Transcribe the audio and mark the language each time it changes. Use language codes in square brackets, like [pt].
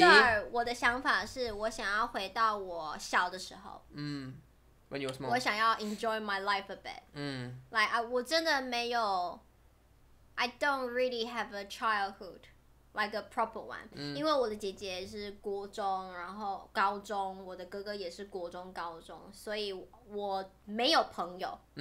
[zh] Sir, 我的想法是我想要回到我小的时候。 [en] When you were small. [zh] 我想要 [en] enjoy my life a bit. Like, [zh] 我真的没有 [en] I don't really have a childhood. Like a proper one. [zh] 因为我的姐姐是国中，然后高中，我的哥哥也是国中高中，所以我没有朋友。